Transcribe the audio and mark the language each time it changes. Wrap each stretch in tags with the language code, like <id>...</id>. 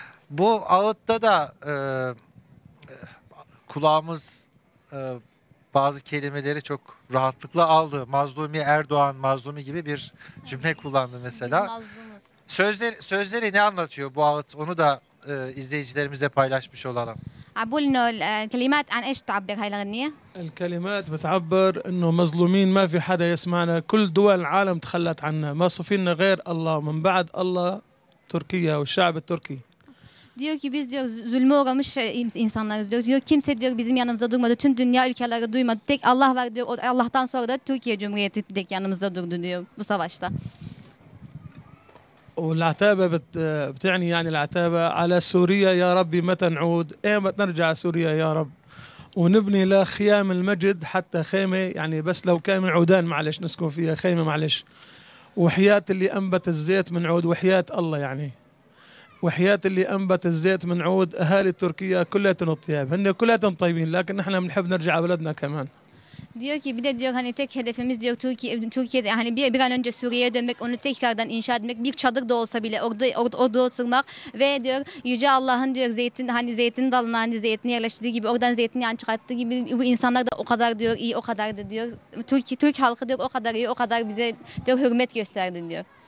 <tr>Bu ağıtta da kulağımız bazı kelimeleri çok rahatlıkla aldı. Mazlumi Erdoğan, mazlumi gibi bir cümle kullandı mesela. Sözleri ne anlatıyor bu ağıt? Onu da izleyicilerimize paylaşmış olalım.</tr> <ar>أقول إنه الكلمات عن إيش تعبر هاي الأغنية؟ الكلمات بتعبر إنه مظلومين ما في حدا يسمعنا كل دول العالم تخلت عنا ما صفينا غير الله من بعد الله تركيا والشعب التركي.</ar> <tr>Diyor ki biz diyor zulmü uğramış insanlarız diyor. Diyor kimse diyor bizim yanımızda durmadı. Tüm dünya ülkeleri duymadı. Tek Allah var diyor. Allah'tan sonra da Türkiye Cumhuriyeti tek yanımızda durdu diyor bu savaşta.</tr> <ar>والعتابة بتعني يعني العتابة على سوريا يا ربي متى نعود ايمت نرجع سوريا يا رب ونبني لا خيام المجد حتى خيمة يعني بس لو كان عودان معلش نسكن فيها خيمة معلش وحياة اللي أنبت الزيت من عود وحياة الله يعني وحياة اللي أنبت الزيت من عود أهالي تركيا كلياتهم الطياب هن كلياتهم طيبين لكن نحن بنحب نرجع بلدنا كمان</ar> <tr>Diyor ki bir de diyor hani tek hedefimiz diyor Türkiye'de hani bir an önce Suriye'ye dönmek, onu tekrardan inşa etmek, bir çadır da olsa bile orada oturmak ve diyor Yüce Allah'ın diyor zeytin dalına hani zeytin yerleştirdiği gibi oradan zeytin yani çıkarttığı gibi bu insanlar da o kadar diyor iyi o kadar da diyor Türk halkı diyor o kadar iyi o kadar bize diyor hürmet gösterdi diyor.</tr>